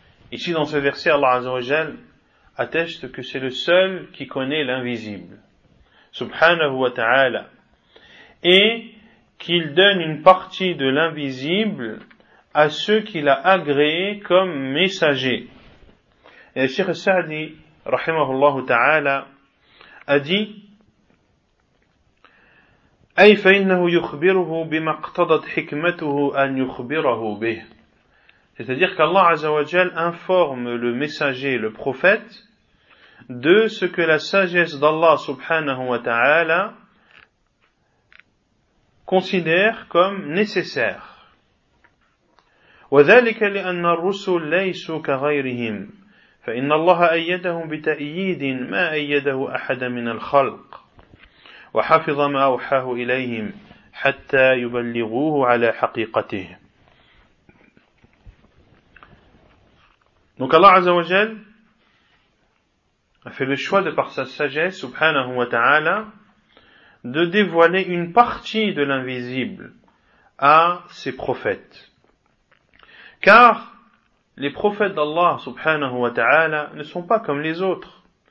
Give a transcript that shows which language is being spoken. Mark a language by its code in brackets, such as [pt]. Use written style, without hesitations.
[fr] Ici dans ce verset, Allah Azza wa Jal atteste que c'est le seul qui connaît l'invisible, subhanahu wa ta'ala, et qu'il donne une partie de l'invisible à ceux qu'il a agréé comme messager. Et Cheikh Sa'di, rahimahullahu ta'ala, a dit, [ar] أي فإنه يخبره بما اقتضت حكمته أن يخبره به. [fr] C'est-à-dire qu'Allah Azza wa Jal informe le messager, le prophète, de ce que la sagesse d'Allah subhanahu wa ta'ala considère comme nécessaire. [ar] وذلك لأن الرسل ليسوا كغيرهم فإن الله أيدهم بتأييد ما أيده أحد من الخلق وحفظ ما أوحاه إليهم حتى يبلغوه على حقيقته. [fr] Donc Allah Azza wa Jal a fait le choix de par sa sagesse, subhanahu wa ta'ala, de dévoiler une partie de l'invisible à ses prophètes. Car les prophètes d'Allah, subhanahu wa ta'ala, ne sont pas comme les autres.